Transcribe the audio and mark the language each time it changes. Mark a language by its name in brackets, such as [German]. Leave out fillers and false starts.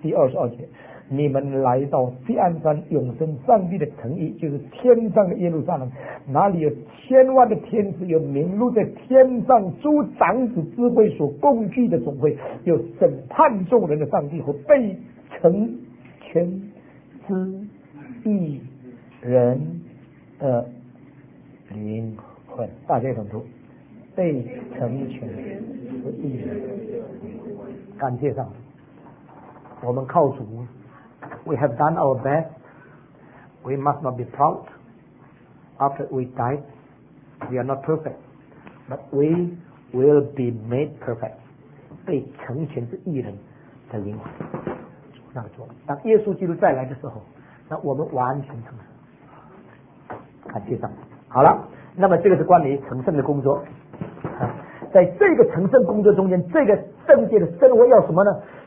[Chinese] 第二十二节，你们来到锡安山，永生上帝的诚意，就是天上的耶路撒冷，哪里有千万的天使，有名录在天上诸长子之会所共聚的总会，有审判众人的上帝和被成全之义人的灵魂。大家懂不？被成全之义人，感谢上帝，我们靠主。 [English] We have done our best. We must not be proud. After we die, we are not perfect. But we will be made perfect. [Chinese] 被成全是义人的灵魂。那个做，当耶稣基督再来的时候，那我们完全成圣。感谢上帝。好了，那么这个是关于成圣的工作。在这个成圣工作中间，这个圣洁的生活要什么呢？